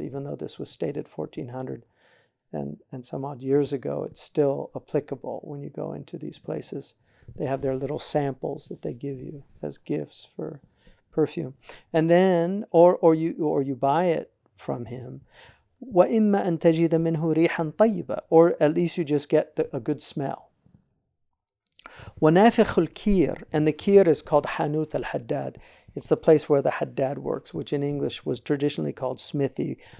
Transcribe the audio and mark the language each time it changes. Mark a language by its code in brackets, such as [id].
[en] Even though this was stated 1400 and some odd years ago, it's still applicable. When you go into these places, they have their little samples that they give you as gifts for perfume. And then, or you buy it from him. [ar] وَإِمَّا أَن تَجِدَ مِنْهُ رِيحًا طَيِّبًا. [en] Or at least you just get a good smell. [ar] وَنَافِخُ الْكِيرِ. [en] And the kir is called [ar] حَنُوت الْحَدَّاد. [en] It's the place where the haddad works, which in English was traditionally called smithy.